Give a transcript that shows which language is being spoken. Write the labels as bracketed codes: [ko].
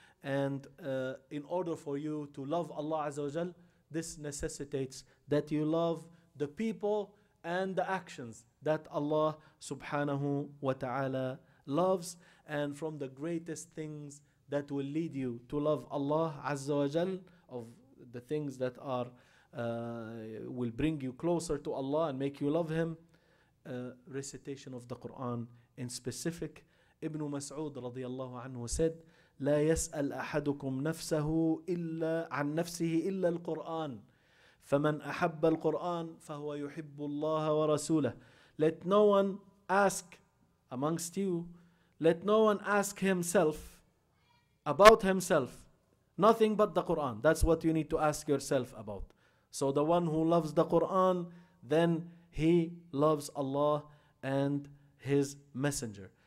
[en] And in order for you to love Allah Azza wa Jal, this necessitates that you love the people and the actions that Allah subhanahu wa ta'ala loves. And from the greatest things that will lead you to love Allah Azza wa Jal, of the things that are will bring you closer to Allah and make you love Him, recitation of the Quran in specific. [ar] Ibn Mas'ud radiyallahu anhu said, لا يسأل أحدكم نفسه إلا عن نفسه إلا القرآن فمن أحب القرآن فهو يحب الله ورسوله. [en] Let no one ask amongst you, let no one ask himself about himself, nothing but the Quran. That's what you need to ask yourself about. So the one who loves the Quran, then he loves Allah and his messenger.